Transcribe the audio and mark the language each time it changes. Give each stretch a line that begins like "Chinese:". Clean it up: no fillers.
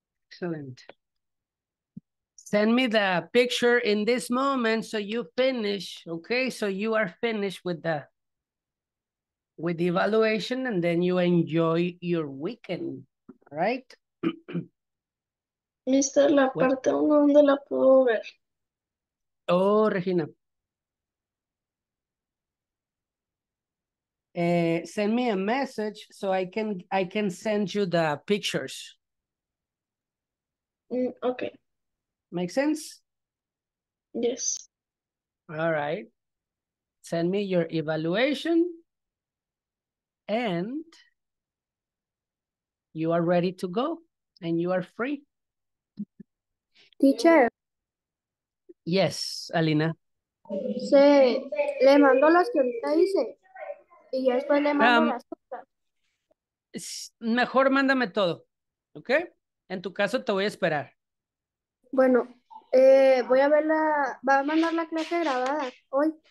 English: Excellent. Send me the picture in this moment so you finish, okay? So you are finished with the evaluation and then you enjoy your weekend, right?
Spanish: Esta es la parte uno donde la puedo ver.
English: Oh, Regina. Send me a message so I can send you the pictures. Okay. Make sense? Yes. All right. Send me your evaluation and you are ready to go and you are free. Teacher. Yes, Alina.
Spanish: Se le mandó las que ahorita dice y ya después le mando las cosas. Mejor mándame todo, ¿ok? En tu caso te voy a esperar. Bueno, voy a ver la, va a mandar la clase grabada hoy.